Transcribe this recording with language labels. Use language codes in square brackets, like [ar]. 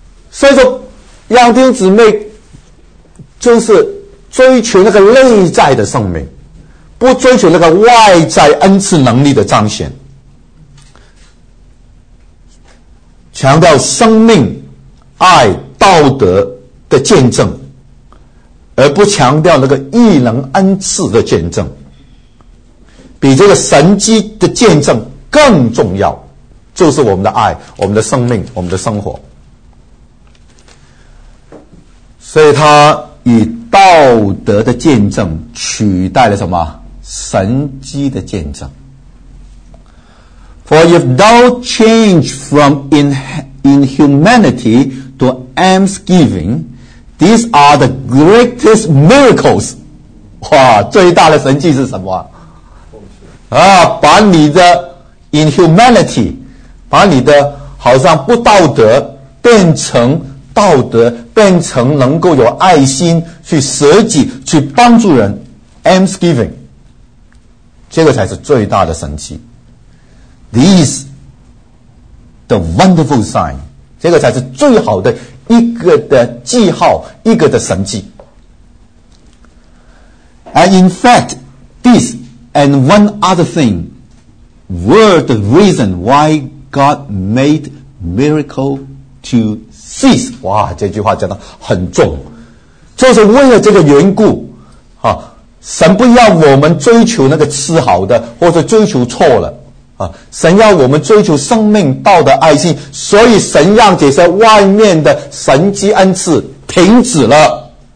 [zh] 所以说让弟兄姊妹就是追求那个内在的生命，不追求那个外在恩赐能力的彰显，强调生命、爱、道德的见证，而不强调那个异能恩赐的见证，比这个神迹的见证更重要，就是我们的爱、我们的生命、我们的生活。所以他以道德的见证取代了什么？神迹的见证。 [en] For if thou change from inhumanity to almsgiving, these are the greatest miracles. [zh] 哇，最大的神迹是什么？啊，把你的 inhumanity， 把你的好像不道德变成道德，变成能够有爱心去舍己去帮助人 almsgiving， 这个才是最大的神迹。 These the wonderful sign，这个才是最好的一个的记号，一个的神迹。 [en] And in fact this and one other thing were the reason why God made miracle to cease。 [zh] 哇，这句话讲得很重，就是为了这个缘故啊，神不要我们追求那个吃好的，或者追求错了啊，神要我们追求生命、道德、爱心，所以神让这些外面的神迹恩赐停止了。